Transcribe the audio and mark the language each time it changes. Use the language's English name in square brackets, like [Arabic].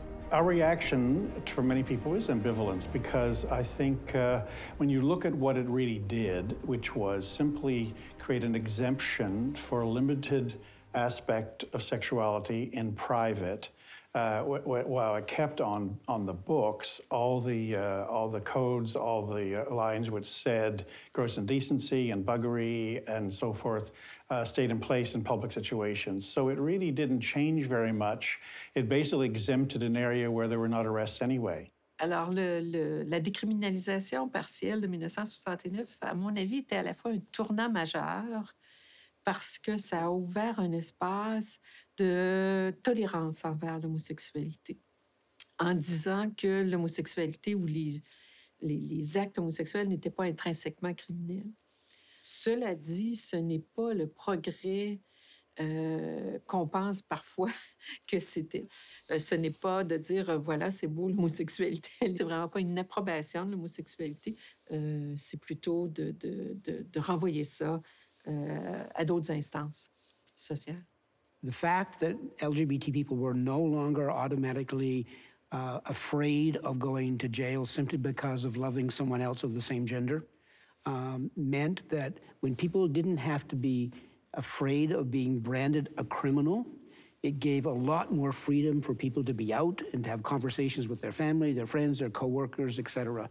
[English] Our reaction for many people is ambivalence, because I think when you look at what it really did, which was simply create an exemption for a limited aspect of sexuality in private, while it kept on the books all the codes, all the lines which said gross indecency and buggery and so forth, stayed in place in public situations. So it really didn't change very much. It basically exempted an area where there were not arrests anyway. [French] Alors, la décriminalisation partielle de 1969, à mon avis, était à la fois un tournant majeur parce que ça a ouvert un espace de tolérance envers l'homosexualité en disant que l'homosexualité ou les actes homosexuels n'étaient pas intrinsèquement criminels. Cela dit, ce n'est pas le progrès qu'on pense parfois que c'était. Ce n'est pas de dire, voilà, c'est beau l'homosexualité. C'est vraiment pas une approbation de l'homosexualité. C'est plutôt de renvoyer ça à d'autres instances sociales. [English] The fact that LGBT people were no longer automatically afraid of going to jail simply because of loving someone else of the same gender meant that when people didn't have to be afraid of being branded a criminal, it gave a lot more freedom for people to be out and to have conversations with their family, their friends, their coworkers, etc.